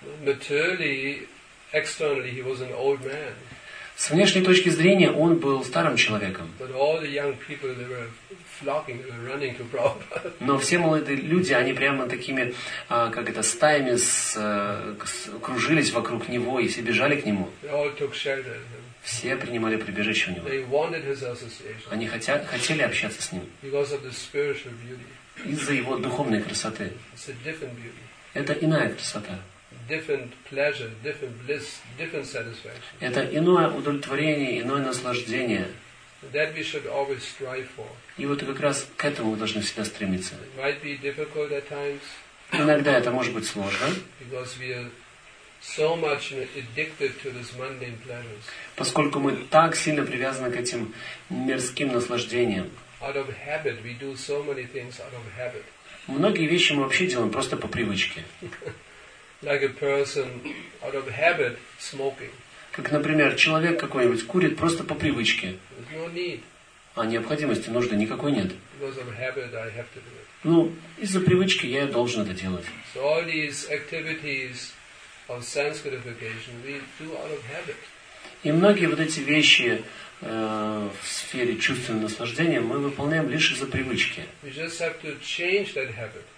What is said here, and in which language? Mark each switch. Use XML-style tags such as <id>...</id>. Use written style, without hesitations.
<en>Materially, externally, he was an old man.</en> <ru>С внешней точки зрения он был старым человеком.</ru> <en>But all the young people, they were flocking, they were running to Prabhupada.</en> <ru>Но все молодые люди, они прямо такими, как это, стаями кружились вокруг него и все бежали к нему.</ru> <en>They all took shelter.</en> <ru>Все принимали прибежище у него.</ru> <en>They wanted his association.</en> <ru>Они хотели общаться с ним.</ru> <en>Because of the spiritual beauty.</en> <ru>Из-за его духовной красоты.</ru> <en>It's a different beauty.</en> <ru>Это иная красота.</ru> <en>Different pleasure, different bliss, different satisfaction.</en> <ru>Это иное удовлетворение, иное наслаждение.</ru> <en>That we should always strive for.</en> <ru>И вот как раз к этому мы должны всегда стремиться.</ru> <en>It might be difficult at times.</en> <ru>Иногда это может быть сложно.</ru> <en>Because we are so much addicted to these mundane pleasures.</en> <ru>Поскольку мы так сильно привязаны к этим мирским наслаждениям.</ru> <en>Out of habit, we do so many things out of habit.</en> <ru>Многие вещи мы вообще делаем просто по привычке.</ru> <en>Like a person out of habit smoking.</en> <ru>Как, например, человек какой-нибудь курит просто по привычке.</ru> <en>There's no need.</en> <ru>А необходимости, нужды никакой нет.</ru> <en>Because of habit, I have to do it.</en> <ru>Ну, из-за привычки я должен это делать.</ru> <en>So all these activities of sense gratification we do out of habit.</en> <ru>И многие вот эти вещи в сфере чувственного наслаждения мы выполняем лишь из-за привычки.</ru> <en>We just have to change that habit.</en>